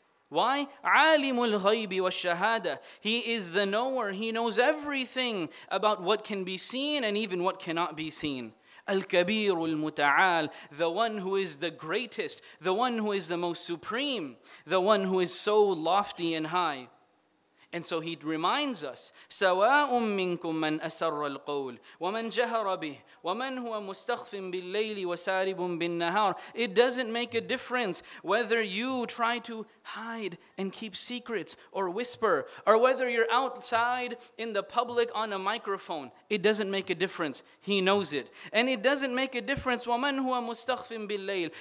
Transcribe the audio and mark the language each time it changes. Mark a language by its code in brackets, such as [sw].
[en] Why? [ar] عَالِمُ الْغَيْبِ وَالشَّهَادَةِ. [en] He is the knower. He knows everything about what can be seen and even what cannot be seen. [ar] الْكَبِيرُ الْمُتَعَالِ. [en] The one who is the greatest, the one who is the most supreme, the one who is so lofty and high. And so He reminds us, [ar] سَوَاءٌ مِّنْكُمْ مَنْ أَسَرَّ الْقَوْلِ وَمَنْ جَهَرَ بِهِ وَمَنْ هُوَ مُسْتَخْفٍ بِاللَّيْلِ وَسَارِبٌ بِالنَّهَارِ. [en] It doesn't make a difference whether you try to hide and keep secrets or whisper, or whether you're outside in the public on a microphone. It doesn't make a difference. He knows it. And it doesn't make a difference, [ar] وَمَنْ هُوَ مُسْتَخْفٍ بِاللَّيْلِ.